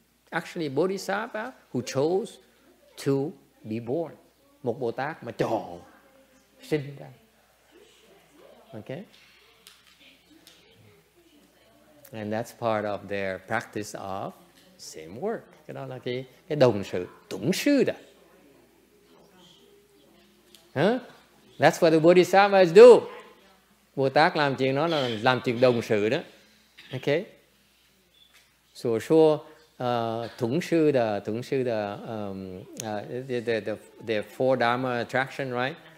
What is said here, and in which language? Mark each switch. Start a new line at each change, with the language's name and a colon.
English: Actually, Bodhisattva who chose to be born,
Vietnamese: một Bồ Tát mà chọn sinh ra.
English: Okay, and that's part of their practice of same work.
Vietnamese: Cái đó là cái đồng sự tụng sư đó.
English: Huh? That's what the Bodhisattvas do.
Vietnamese: Bồ Tát làm chuyện đó là làm chuyện đồng sự đó.
English: Okay. So sure, the four dharma attraction, right?